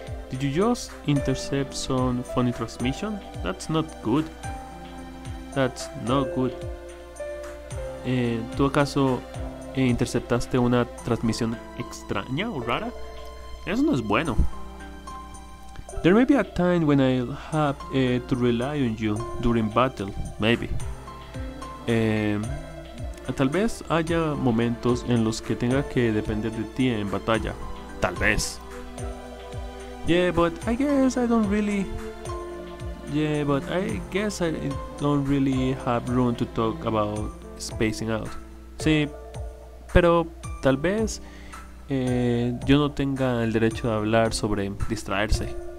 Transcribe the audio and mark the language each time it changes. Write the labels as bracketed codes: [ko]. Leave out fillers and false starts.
[en] Did you just intercept some funny transmission? That's not good. That's not good. [es] ¿Tú acaso interceptaste una transmisión extraña o rara? Eso no es bueno. [en] There may be a time when I'll have to rely on you during battle, maybe. [es] Tal vez haya momentos en los que tenga que depender de ti en batalla. Tal vez. [en] Yeah, but I guess I don't really have room to talk about spacing out. [es] Sí, pero tal vez yo no tenga el derecho de hablar sobre distraerse.